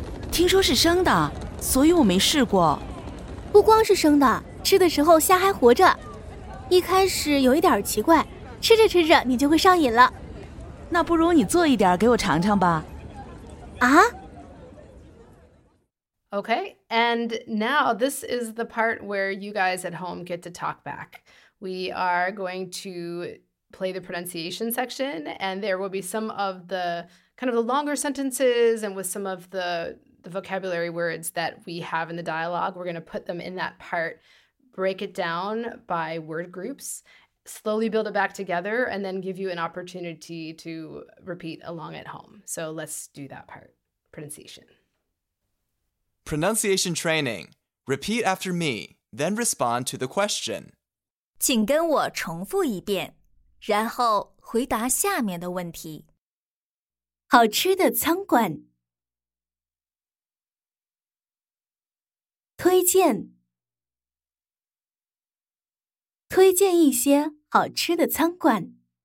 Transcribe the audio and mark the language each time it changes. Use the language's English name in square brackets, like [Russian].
[Chinese] 听说是生的，所以我没试过。不光是生的，吃的时候虾还活着。一开始有一点奇怪，吃着吃着你就会上瘾了。那不如你做一点给我尝尝吧。啊？ [English] Okay, and now this is the part where you guys at home get to talk back. We are going to play the pronunciation section, and there will be some of the kind of the longer sentences and with some of the vocabulary words that we have in the dialogue. We're going to put them in that part, break it down by word groups, slowly build it back together, and then give you an opportunity to repeat along at home. So let's do that part, pronunciation. Pronunciation training. Repeat after me, then respond to the question. [Chinese] 请跟我重复一遍，然后回答下面的问题。好吃的餐馆。推荐推荐一些好吃的餐馆。